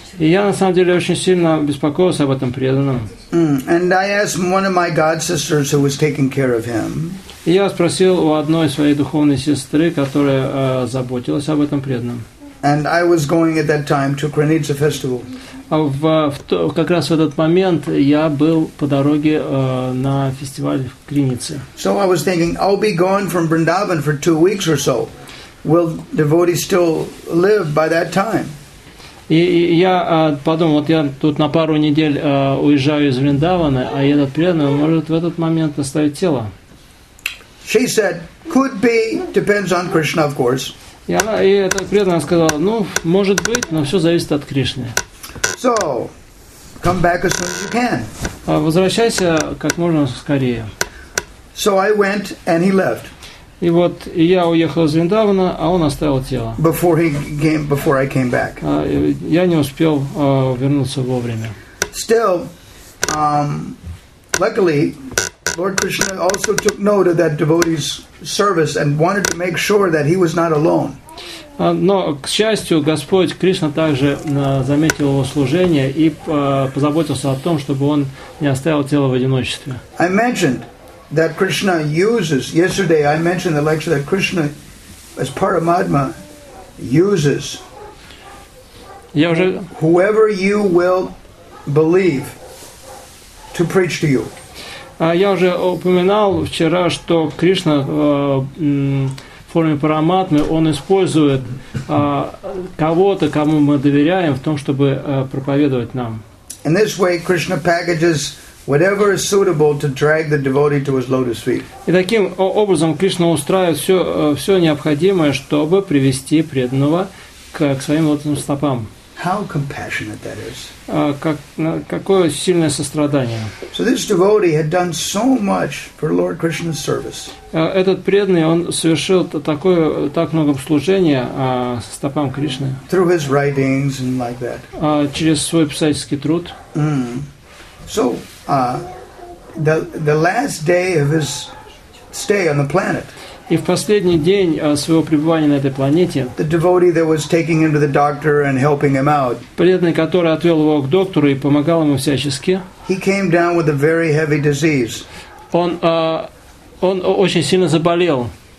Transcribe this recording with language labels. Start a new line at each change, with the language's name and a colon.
Russian: И я на самом деле очень сильно беспокоился об этом преданном.
English: And I asked one of my god sisters who was taking care of him.
Russian: И я спросил у одной своей духовной сестры, которая заботилась об этом преданном.
English: And I was going at that time to Krinitsa festival.
Russian: Как раз в этот момент я был по дороге на фестиваль в Криницы.
English: So I was thinking, I'll be gone from Vrindavan for 2 weeks or so. Will devotees still live by that time?
Russian: Я подумал, вот я тут на пару недель уезжаю из Вриндавана, а этот преданный может в этот момент оставить тело.
English: She said, could be, depends on Krishna, of course.
Russian: И этот преданный сказал, ну, может быть, но все зависит от Кришны.
English: So, come back as soon as you can.
Russian: Возвращайся как можно скорее.
English: So I went and he left.
Russian: И вот я уехал из Вриндавана, а он оставил тело.
English: Before I came back.
Russian: Я не успел вернуться вовремя.
English: Still, luckily, Lord Krishna also took note of that devotee's service and wanted to make sure that he was not alone.
Russian: Но, к счастью, Господь Кришна также заметил его служение и позаботился о том, чтобы он не оставил тело в одиночестве.
English: I mentioned that Krishna uses, yesterday I mentioned the lecture that Krishna, as Paramatma, uses whoever you will believe to preach to you.
Russian: Я уже упоминал вчера, что Кришна в форме Параматмы, он использует кого-то, кому мы доверяем, в том, чтобы проповедовать нам.
English: In this way, Krishna packages whatever is suitable to drag the devotee to his lotus feet.
Russian: И таким образом Кришна устраивает все необходимое, чтобы привести преданного к своим лотосным стопам.
English: How compassionate that is!
Russian: Какое сильное сострадание!
English: So this devotee had done so much for Lord Krishna's service.
Russian: Этот преданный он совершил такое так много служения стопам Кришны.
English: Through his writings and like that.
Russian: Через свой писательский труд.
English: So the last day of his stay on the planet.
Russian: И в последний день своего пребывания на этой планете преданный, который отвел его к доктору и помогал ему всячески, он очень сильно заболел.